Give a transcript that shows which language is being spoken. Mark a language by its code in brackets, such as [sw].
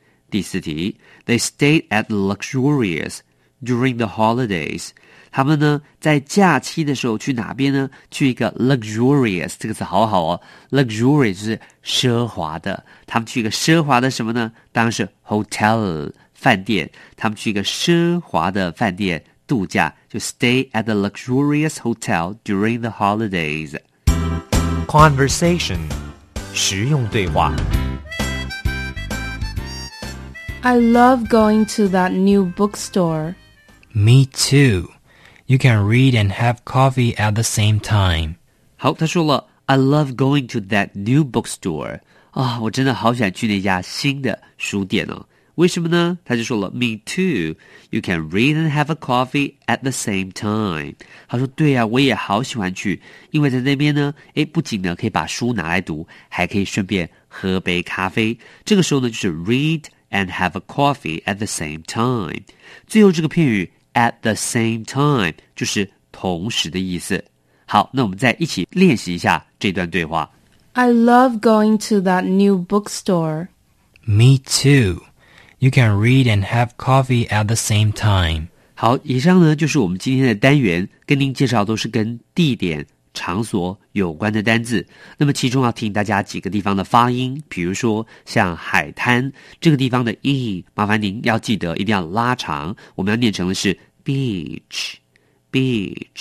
[zh] 第四题 [en] ，They stayed at luxurious during the holidays。 [zh] 他们呢在假期的时候去哪边呢？去一个 luxurious， 这个词好好哦 ，luxurious 就是奢华的。他们去一个奢华的什么呢？当然是 hotel 饭店。他们去一个奢华的饭店。度假就 [en] stay at the luxurious hotel during the holidays. [zh] Conversation 实用对话 [en] I love going to that new bookstore. Me too. You can read and have coffee at the same time. [zh] 好，他说了 [en] I love going to that new bookstore. [zh] 啊、哦，我真的好喜欢去那家新的书店哦。为什么呢？他就说了 ， [en] Me too. You can read and have a coffee at the same time. [zh] 他说对呀、啊，我也好喜欢去，因为在那边呢，哎，不仅呢可以把书拿来读，还可以顺便喝杯咖啡。这个时候呢，就是 [en] read and have a coffee at the same time. [zh] 最后这个片语 at the same time 就是同时的意思。好，那我们再一起练习一下这段对话。 [en] I love going to that new bookstore. Me too. You can read and have coffee at the same time. [zh] 好，以上呢就是我们今天的单元，跟您介绍都是跟地点、场所有关的单字。那么其中要提醒大家几个地方的发音，比如说像海滩这个地方的 e， 麻烦您要记得一定要拉长，我们要念成的是 beach。